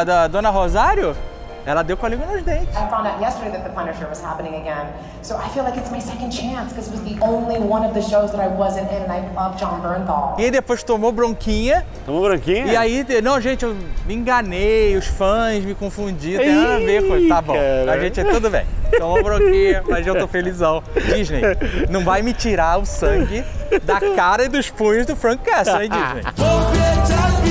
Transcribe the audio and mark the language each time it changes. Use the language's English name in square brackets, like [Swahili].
[Portuguese] A da Dona Rosário, ela deu com a língua nos dentes. [English] Eu found out yesterday that the Punisher was happening again. So I feel like it's my second chance, because it was the only one of the shows that I wasn't in, and I love John Bernthal. E aí depois tomou bronquinha. [Portuguese] Tomou bronquinha? E aí, não, gente, eu me enganei, os fãs me confundiram. Tem nada a ver com isso. Tá bom. Cara. A gente é tudo bem. Tomou bronquinha, mas eu tô felizão. Disney, não vai me tirar o sangue da cara e dos punhos do Frank Castle, hein, Disney?